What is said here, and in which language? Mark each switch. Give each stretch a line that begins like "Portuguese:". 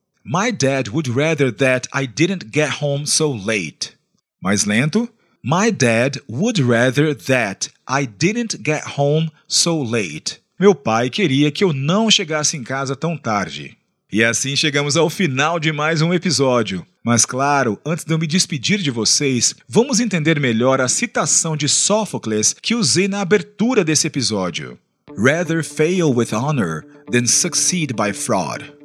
English: My dad would rather that I didn't get home so late.
Portuguese: Mais lento.
English: My dad would rather that I didn't get home so late.
Portuguese: Meu pai queria que eu não chegasse em casa tão tarde. E assim chegamos ao final de mais um episódio. Mas claro, antes de eu me despedir de vocês, vamos entender melhor a citação de Sófocles que usei na abertura desse episódio.
English: Rather fail with honor than succeed by fraud.